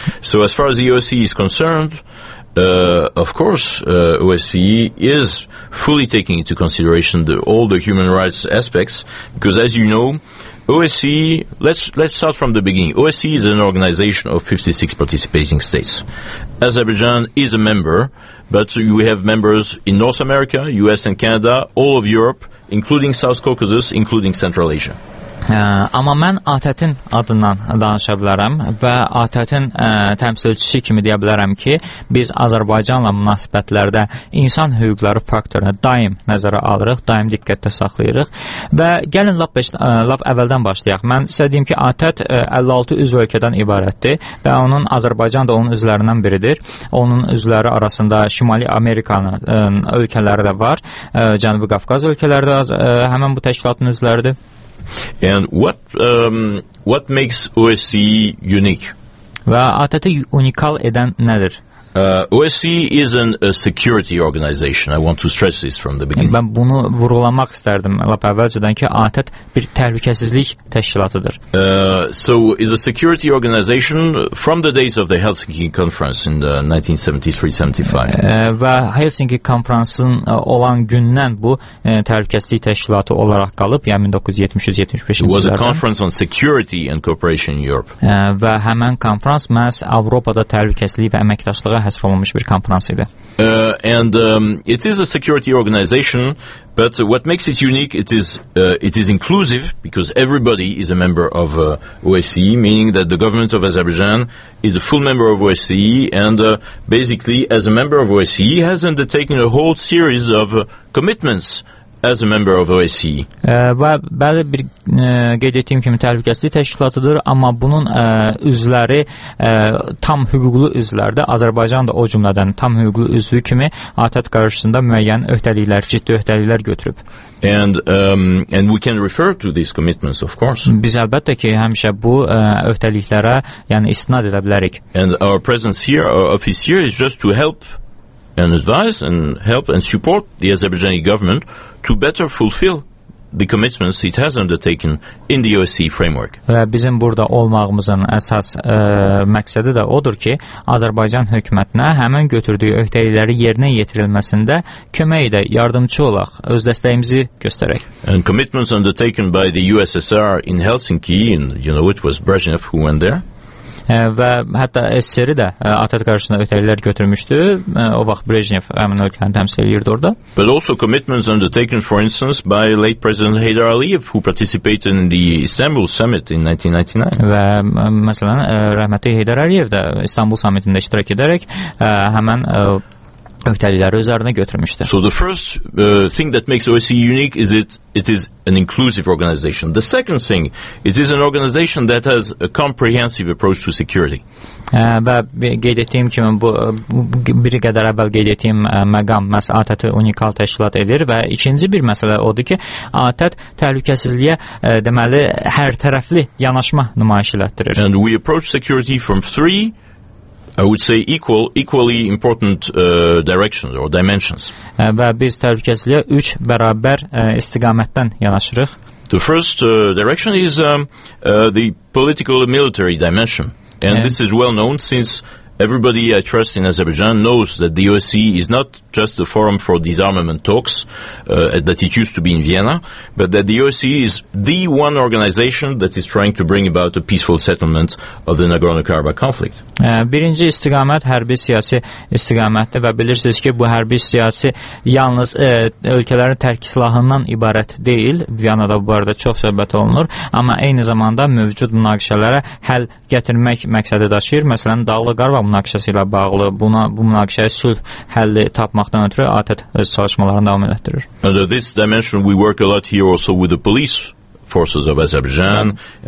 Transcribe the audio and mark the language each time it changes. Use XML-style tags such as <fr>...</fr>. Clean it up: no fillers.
<en>So as far as the OSCE is concerned, of course, OSCE is fully taking into consideration all the human rights aspects, because as you know, OSCE. Let's start from the beginning. OSCE is an organization of 56 participating states. Azerbaijan is a member, but we have members in North America, US and Canada, all of Europe, including South Caucasus, including Central Asia.</en> <az>Amma mən ATƏT-in adından danışa bilərəm və ATƏT-in təmsilçisi kimi deyə bilərəm ki, biz Azərbaycanla münasibətlərdə insan hüquqları faktorunu daim nəzərə alırıq, daim diqqətdə saxlayırıq və gəlin lap əvvəldən başlayaq. Mən sizə deyim ki, ATƏT 56 üzv ölkədən ibarətdir və onun Azərbaycan da onun üzvlərindən biridir. Onun üzvləri arasında Şimali Amerikanın ölkələri də var, Cənubi Qafqaz ölkələri də həmin bu təşkilatın üzvləridir.</az> <en>And what makes OSCE unique?</en> <az>Və ATƏT-i unikal edən nədir?</az> <en>OSCE isn't a security organization. I want to stress this from the beginning.</en> <az>Mən bunu vurğulamaq istərdim lap əvvəlcədən ki, ATƏT bir təhlükəsizlik təşkilatıdır.</az> <en>So is a security organization from the days of the Helsinki Conference in the 1973-75.</en> <az>Və Helsinki Konfransının olan gündən bu təhlükəsizlik təşkilatı olaraq qalıb, yəni 1973-75-ci illərdə.</az> <en>It was a conference on security and cooperation in Europe.</en> <az>Və həmin konfrans məhz Avropada təhlükəsizlik və əməkdaşlıq həsr olunmuş bir konferans idi.</az> <en>It is a security organization, but what makes it unique, it is inclusive, because everybody is a member of OSCE, meaning that the government of Azerbaijan is a full member of OSCE, and basically, as a member of OSCE, has undertaken a whole series of commitments as a member of OSCE.</en> <az>Bəli, bir qeyd etdiyim kimi təhlükəsizlik təşkilatıdır, amma bunun üzvləri tam hüquqlu üzvlərdir. Azərbaycan da o cümlədən tam hüquqlu üzvü kimi ATƏT qarşısında müəyyən öhdəliklər, ciddi öhdəliklər götürüb.</az> <en>And we can refer to these commitments, of course.</en> <az>Biz əlbəttə ki, həmişə bu öhdəliklərə, yəni istinad edə bilərik.</az> <en>And our presence here, our office here is just to help and advise and help and support the Azerbaijani government to better fulfill the commitments it has undertaken in the OSCE framework.</en> <az>Və bizim burada olmağımızın əsas məqsədi də odur ki, Azərbaycan hökumətinə həmin götürdüyü öhdəlikləri yerinə yetirilməsində kömək edək, yardımçı olaq, öz dəstəyimizi göstərək.</az> <en>And commitments undertaken by the USSR in Helsinki, and you know it was Brezhnev who went there.</en> <az>Və hətta SSR-i də ATƏT qarşısında öhdəliklər götürmüşdü. O vaxt Brezhnev həmin ölkəni təmsil edirdi orada.</az> <en>But also commitments undertaken, for instance, by late President Heydar Aliyev, who participated in the Istanbul Summit in 1999.</en> <az>Və məsələn, rəhmətli Heydar Aliyev də İstanbul Summitində iştirak edərək həmin öhdəlikləri üzərinə götürmüşdü.</az> <en>So the first thing that makes OSCE unique is it is an inclusive organization. The second thing, it is an organization that has a comprehensive approach to security.</en> <az>Və qeyd etdiyim kimi, bir qədər əvvəl qeyd etdiyim məqam, məhz ATƏT-i unikal təşkilat edir və ikinci bir məsələ odur ki, ATƏT təhlükəsizliyə, deməli, hər tərəfli yanaşma nümayiş elətdirir.</az> <en>And we approach security from three, I would say equally important directions or dimensions.</en> <az>Və biz təhlükəsizliyə 3 bərabər istiqamətdən yanaşırıq.</az> <en>The first direction is the political and military dimension. And this is well known since everybody I trust in Azerbaijan knows that the OSCE is not just a forum for disarmament talks that it used to be in Vienna, but that the OSCE is the one organization that is trying to bring about a peaceful settlement of the Nagorno-Karabakh conflict.</en> <az>Birinci istiqamət hərbi siyasi istiqamətdir və bilirsiniz ki, bu hərbi siyasi yalnız ölkələrin tərk silahından ibarət deyil. Vienna'da bu arada çox söhbət olunur, amma eyni zamanda mövcud münaqişələrə həll gətirmək məqsədi daşıyır. Məsələn, Dağlı Qarabağ münaqişəsi ilə bağlı bu münaqişəyə sülh həlli tapmaqdan ötürü ATƏT öz çalışmalarını davam etdirir.</az> <en>Under this dimension we work a lot here also with the police forces of Azerbaijan. Mm-hmm.</en>